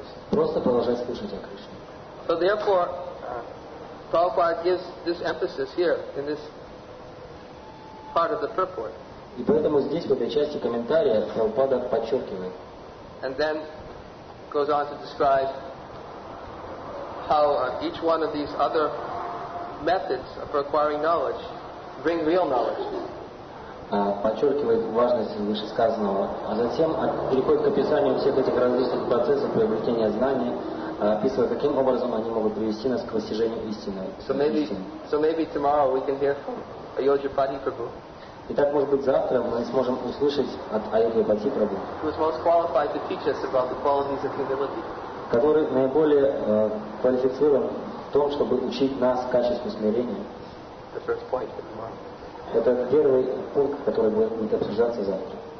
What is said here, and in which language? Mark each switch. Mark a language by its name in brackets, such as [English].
[Russian] Просто продолжать слушать о Кришне. [English] So therefore, Prabhupada gives this emphasis here in this part of the purport. [Russian] И поэтому здесь в этой части комментария Прабхупада подчеркивает. [English] And then goes on to describe how each one of these other methods of acquiring knowledge bring real knowledge. [Russian] Подчеркивает важность вышесказанного, а затем переходит к описанию всех этих различных процессов приобретения знаний. Описывая, каким образом они могут привести нас к достижению истины. [English] So maybe tomorrow we can hear from Ayodhyapati Prabhu. [Russian] Итак, может быть, завтра мы сможем услышать от Айодхипати Прабху. [English] Who is most qualified to teach us about the qualities of humility? [Russian] Который наиболее квалифицирован в том, чтобы учить нас качеству смирения. [English] The first point for tomorrow. [Russian] Это первый пункт, который будет обсуждаться завтра.